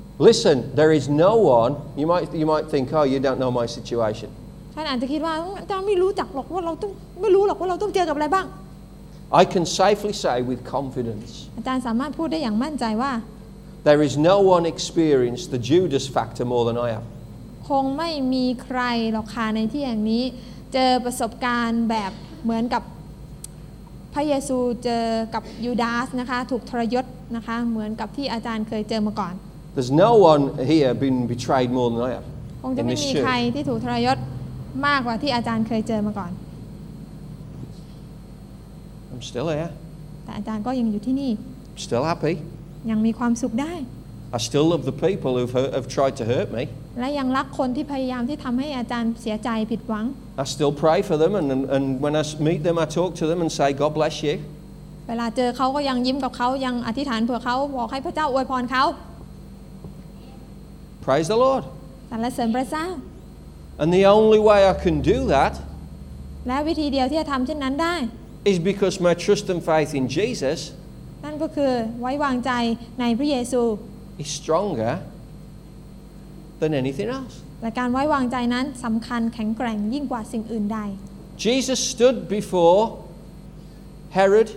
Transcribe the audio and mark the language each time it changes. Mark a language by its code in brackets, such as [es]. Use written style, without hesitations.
[en] Listen there is no one you might think oh you don't know my situation [th] ท่านอาจจะคิดว่าเจ้าไม่รู้จักหรอกว่าเราต้องไม่รู้หรอกว่าเราต้องเจอกับอะไรบ้าง [en] I can safely say with confidence [th] อาจารย์สามารถพูดได้อย่างมั่นใจว่า [en] There is no one experienced the Judas factor more than I have [th] คงไม่มีใครหรอกค่ะในที่แห่งนี้เจอประสบการณ์แบบเหมือนกับ พระเยซูเจอกับยูดาสนะคะถูกทรยศนะคะเหมือนกับที่อาจารย์เคยเจอมาก่อน [en] There's no one here been betrayed more than I have [th] คงจะไม่มีใครที่ถูกทรยศมากกว่าที่อาจารย์เคยเจอมาก่อน [en] I'm still here [th] แต่อาจารย์ก็ยังอยู่ที่นี่ [en] Still happy [th] ยังมีความสุขได้ [en] I still love the people who have tried to hurt me [th] และยังรักคนที่พยายามที่ทำให้อาจารย์เสียใจผิดหวัง [en] I still pray for them and when I meet them I talk to them and say God bless you [th] เวลาเจอเขาก็ยังยิ้มกับเขายังอธิษฐานเผื่อเขาบอกให้พระเจ้าอวยพรเขา [en] Praise the Lord [th] สรรเสริญพระเจ้า [en] And the only way I can do that [th] และวิธีเดียวที่จะทำเช่นนั้นได้ [en] is because my trust and faith in Jesus [th] นั่นก็คือไว้วางใจในพระเยซู [en] is strongerThan anything else. [th] และการไว้วางใจนั้นสำคัญแข็งแกร่งยิ่งกว่าสิ่งอื่นใด [en] Jesus stood before Herod.